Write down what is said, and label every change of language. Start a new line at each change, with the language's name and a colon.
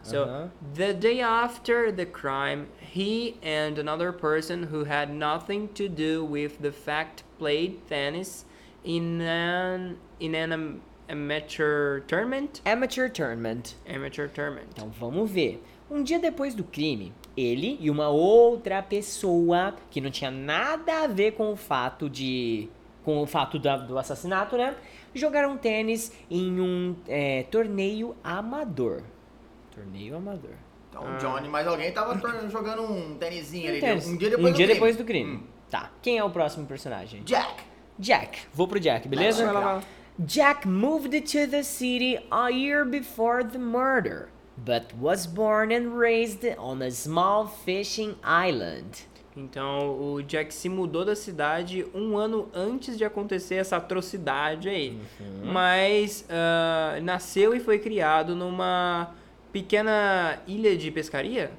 English: So, the day after the crime, he and another person who had nothing to do with the fact played tennis in an amateur tournament. Amateur tournament.
Portuguese: Então, vamos ver. Um dia depois do crime, ele e uma outra pessoa que não tinha nada a ver com o fato de... com o fato do assassinato, né? Jogaram tênis em um torneio amador. Torneio amador. Então, o Johnny mais alguém tava jogando um tênisinho ali. Tênis. Um dia depois do crime. Tá. Quem é o próximo personagem? Jack. Vou pro Jack, beleza? Vai lá.
English: Jack moved to the city a year before the murder, but was born and raised on a small fishing island.
Portuguese: Então, o Jack se mudou da cidade um ano antes de acontecer essa atrocidade aí. Uhum. Mas nasceu e foi criado numa pequena ilha de pescaria?